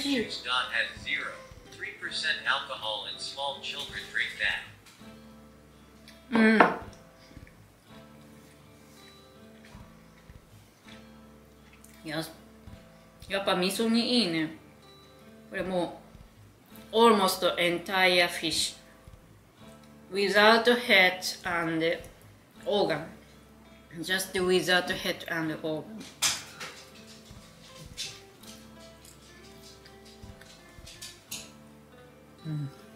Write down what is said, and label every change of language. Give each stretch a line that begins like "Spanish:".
English: juice dot has 0.3% alcohol and small children drink that.
Japanese: うん、やっぱ味噌にいいね。これもう
English: almost entire fish without head and organ, just without head and organ.